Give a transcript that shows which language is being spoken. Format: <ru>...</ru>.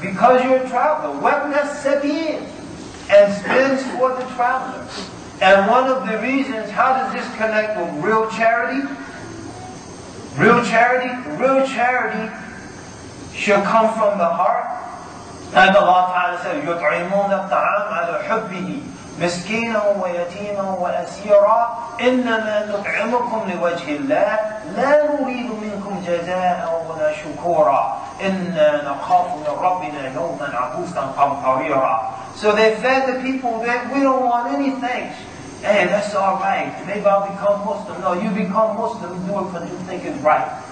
<en>Because you're a traveler. Wabnas sabir. And spends for the traveler. And one of the reasons, how does this connect with real charity? Real charity? Real charity should come from the heart. And Allah Ta'ala said,</en> <ar>يُطْعِمُونَ الطَّعَامَ عَلَى حُبِّهِ مِسْكِينًا وَيَتِيمًا وَأَسِيرًا إِنَّمَا نُطْعِمُكُمْ لِوَجْهِ اللَّهِ لَا نُرِيدُ مِنْكُمْ جَزَاءً وَلَا شُكُورًا إِنَّا نَخَافُ مِنْ رَبِّنَا يَوْمًا عَبُوسًا قَمْطَرِيرًا.</ar> <en>So they fed the people that we don't want any thanks. Hey, that's all right. Maybe I'll become Muslim. No, you become Muslim, do it because you think it's right.</en>